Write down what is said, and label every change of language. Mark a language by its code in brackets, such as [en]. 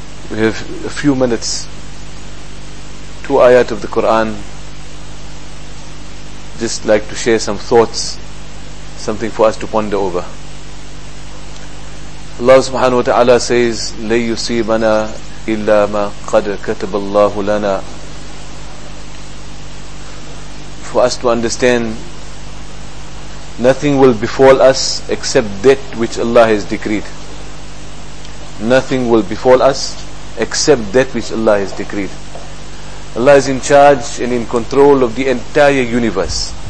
[en] We have a few minutes, two ayat of the Quran. Just like to share some thoughts, something for us to ponder over. [ar] Allah subhanahu wa ta'ala says, لَنْ يُصِيبَنَا إِلَّا مَا قَدْ كَتَبَ اللَّهُ لَنَا. [en] For us to understand, nothing will befall us except that which Allah has decreed. Nothing will befall us except that which Allah has decreed. Allah is in charge and in control of the entire universe.